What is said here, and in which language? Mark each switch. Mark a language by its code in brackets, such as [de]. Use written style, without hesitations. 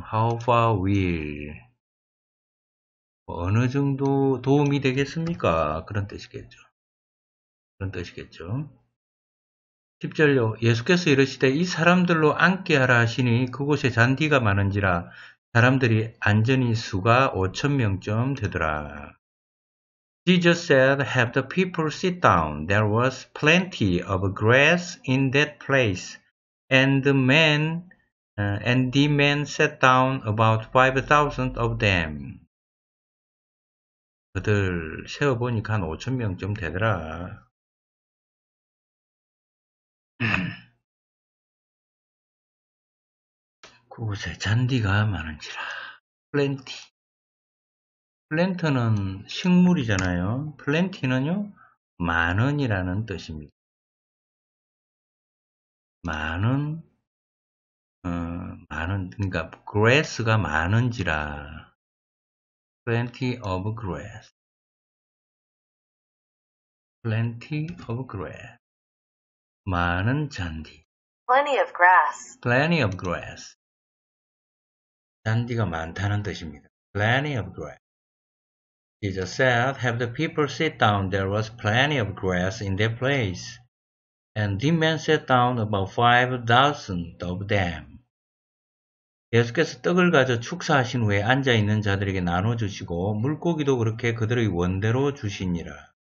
[en] How far will [ko] 뭐 어느 정도 도움이 되겠습니까? 그런 뜻이겠죠. 그런 뜻이겠죠. 10절요. 예수께서 이르시되 이 사람들로 앉게 하라 하시니 그곳에 잔디가 많은지라 사람들이 안전히 수가 5,000명쯤 되더라. [en] Jesus said, Have the people sit down. There was plenty of grass in that place. And the men sat down about 5,000 of them. [ko] 그들 세어보니까 한 5,000명쯤 되더라. 그곳에 잔디가 많은지라. Plenty. Plant는 식물이잖아요. Plenty는요, 많은이라는 뜻입니다. 많은, 많은, 그러니까 grass가 많은지라. [en] Plenty of grass. Plenty of grass. [ko] 많은 잔디. [en] Plenty of grass. Plenty of grass. [ko] 잔디가 많다는 뜻입니다. [en] Plenty of grass. Jesus said, Have the people sit down. There was plenty of grass in their place. And the men sat down about 5,000 of them. [ko] 예수께서 떡을 가져 축사하신 후에 앉아있는 자들에게 나눠주시고 물고기도 그렇게 그들의 원대로 주시니라.